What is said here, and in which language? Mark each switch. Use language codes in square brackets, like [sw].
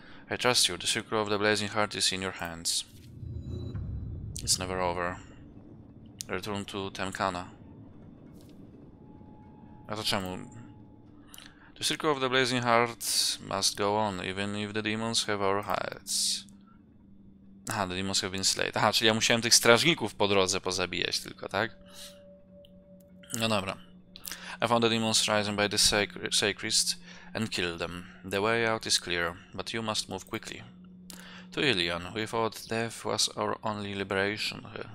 [en] I trust you, the secret of the Blazing Heart is in your hands. It's never over. Return to Temkana. [pl] A to czemu? [en] The circle of the Blazing Heart must go on, even if the demons have our hearts. Aha, the demons have been slayed. [pl] Aha, czyli ja musiałem tych strażników po drodze pozabijać tylko, tak? No dobra. [en] I found the demons rising by the sacred and killed them. The way out is clear, but you must move quickly. To Ilion, we thought death was our only liberation.